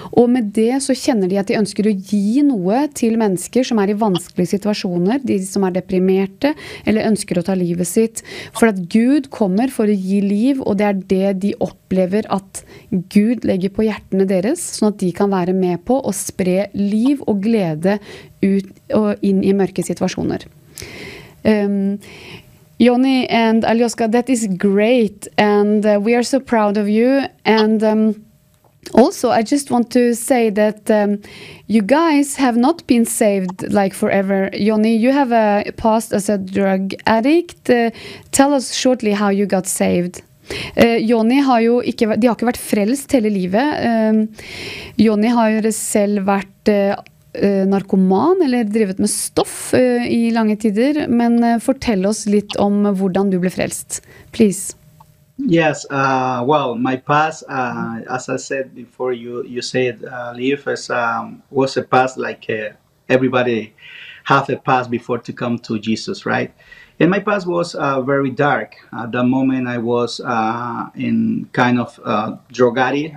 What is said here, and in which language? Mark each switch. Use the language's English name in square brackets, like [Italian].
[Norwegian] Og med det så kjenner de at de ønsker å gi noe til mennesker som i vanskelige situasjoner, de som deprimerte, eller ønsker å ta livet sitt. For at Gud kommer for å gi liv, og det det de opplever at Gud legger på hjertene deres, sånn at de kan være med på å spre liv og glede ut og inn i mørke situasjoner. [English] Johnny and Alyoska, that is great, and we are so proud of you. And also, I just want to say that you guys have not been saved like forever. Johnny, you have a past as a drug addict. Tell us shortly how you got saved. [Norwegian] Johnny har ikke, de har ikke vært frelst hele livet. Johnny har selv vært narkoman eller drevet med stoff I lange tider, men fortell oss litt om hvordan du ble frelst, please. [English] Yes, well, my past, as I said before, you said, Liv, was a past like everybody have a past before to come to Jesus, right? And my past was very dark. At that moment, I was in kind of drug addict.